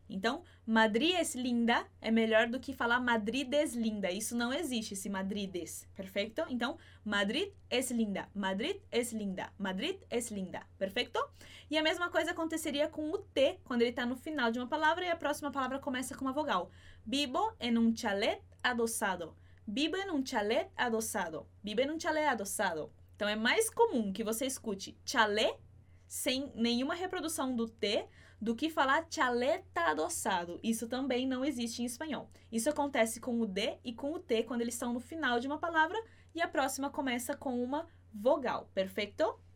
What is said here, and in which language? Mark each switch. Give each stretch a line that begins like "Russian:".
Portuguese: Então,
Spanish: Madrid es linda
Portuguese: é melhor do que falar Madrid es linda. Isso não existe, esse
Spanish: Madrid es.
Portuguese: Perfeito? Então,
Spanish: Madrid es linda, Madrid es linda,
Portuguese: Madrid es linda. Perfeito? E a mesma coisa aconteceria com o T, quando ele está no final de uma palavra e a próxima palavra começa com uma vogal.
Spanish: Vivo en un chalet adosado. Vivo en un chalet adosado. Vivo en un chalet adosado.
Portuguese: Então, é mais comum que você escute chalet sem nenhuma reprodução do T do que falar
Spanish: chalet adosado.
Portuguese: Isso também não existe em espanhol. Isso acontece com o D e com o T quando eles estão no final de uma palavra e a próxima começa com uma vogal. Perfeito?